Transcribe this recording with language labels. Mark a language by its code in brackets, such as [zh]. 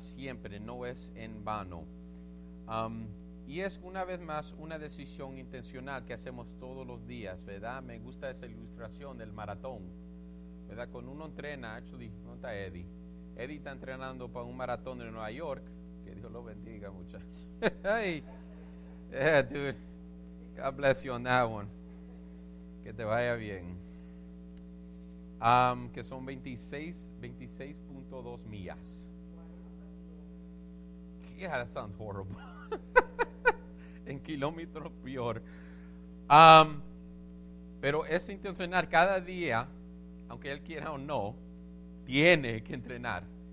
[es] Siempre, no es en vano. Y es una vez más una decisión intencional que hacemos todos los días, ¿verdad? Me gusta esa ilustración del maratón, ¿verdad? Cuando uno entrena, ¿dónde está Eddie? Eddie está entrenando para un maratón en Nueva York. Que Dios lo bendiga, muchachos. [en] Hey, yeah, dude. God bless you on that one. [es] Que te vaya bien. Que son 26.2 millas. [en] Yeah, that sounds horrible. [es] En kilómetro peor. Pero es intencional cada día, aunque él quiera o no, tiene que entrenar.